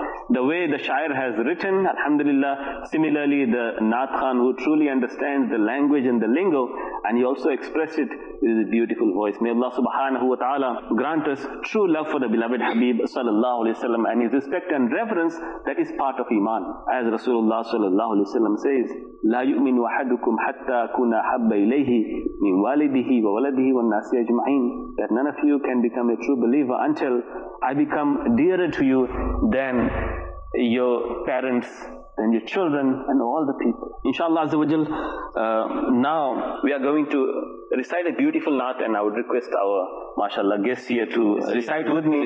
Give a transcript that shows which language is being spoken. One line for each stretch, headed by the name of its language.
English: The way the shair has written, alhamdulillah, similarly the Naat Khan, who truly understands the language and the lingo, and he also expressed it with a beautiful voice. May Allah subhanahu wa ta'ala grant us true love for the beloved Habib sallallahu alayhi wa sallam, and his respect and reverence that is part of Iman. As Rasulullah sallallahu alayhi wa sallam says,
Arabic: لا يؤمن أحدكم حتى أكون أحب إليه من والده وولده والناس أجمعين.
English: That none of you can become a true believer until I become dearer to you than your parents, than your children, and all the people. Inshallah Azza wa Jal, now we are going to recite a beautiful naat, and I would request our mashallah guests here to recite with me.